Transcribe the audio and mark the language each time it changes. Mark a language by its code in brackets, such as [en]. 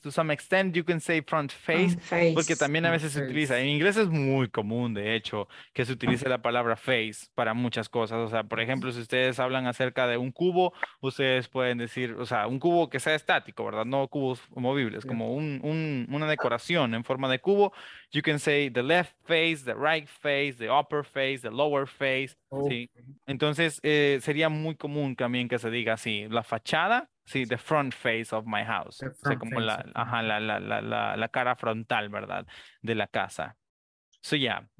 [en] To some extent, you can say front face. [es] Porque también a veces se utiliza. En inglés es muy común, de hecho, que se utilice la palabra face para muchas cosas. O sea, por ejemplo, si ustedes hablan acerca de un cubo, ustedes pueden decir, o sea, un cubo que sea estático, ¿verdad? No cubos movibles, como una decoración en forma de cubo. [en] You can say the left face, the right face, the upper face, the lower face. [es] Oh. ¿Sí? Entonces, sería muy común también que se diga así, la fachada, sí, [en] the front face of my house. [es] O sea, como la cara frontal, ¿verdad? De la casa. [en] So, yeah.